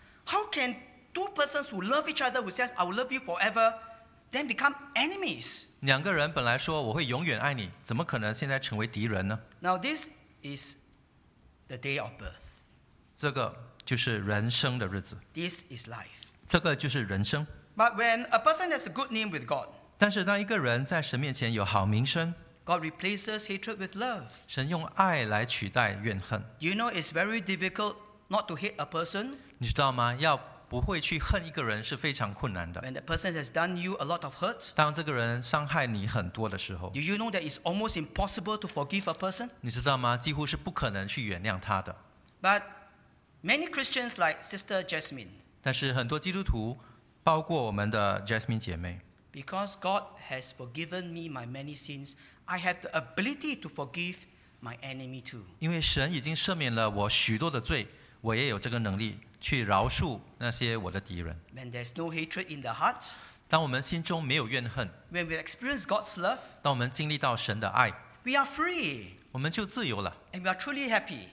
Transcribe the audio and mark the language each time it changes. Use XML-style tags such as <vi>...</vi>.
<en>how can two persons who love each other who says I will love you foreverThen become enemies.</en> <zh>两个人本来说我会永远爱你，怎么可能现在成为敌人呢</zh> <en>？Now this is the day of birth.</en> <zh>这个就是人生的日子。</zh> <en>This is life.</en> <zh>这个就是人生。</zh> <en>But when a person has a good name with God,</en> <zh>但是当一个人在神面前有好名声</zh> <en>，God replaces hatred with love.</en> <zh>神用爱来取代怨恨。</zh> <en>You know it's very difficult not to hate a person.</en> <zh>你知道吗？要不会去恨一个人是非常困难的。</zh> <en>When the person has done you a lot of hurt,</en> <zh>当这个人伤害你很多的时候</zh> <en>，Do you know that it's almost impossible to forgive a person?</en> <zh>你知道吗？几乎是不可能去原谅他的。</zh> <en>But many Christians like Sister Jasmine,</en> <zh>但是很多基督徒，包括我们的 Jasmine 姐妹。</zh> <en>Because God has forgiven me my many sins, I have the ability to forgive my enemy too.</en> <zh>因为神已经赦免了我许多的罪，我也有这个能力去饶恕那些我的敌人。</zh> <en>When there's no hatred in the heart,</en> <zh>当我们心中没有怨恨。</zh> <en>When we experience God's love,</en> <zh>当我们经历到神的爱。</zh> <en>We are free.</en> <zh>我们就自由了。</zh> <en>And we are truly happy.</en>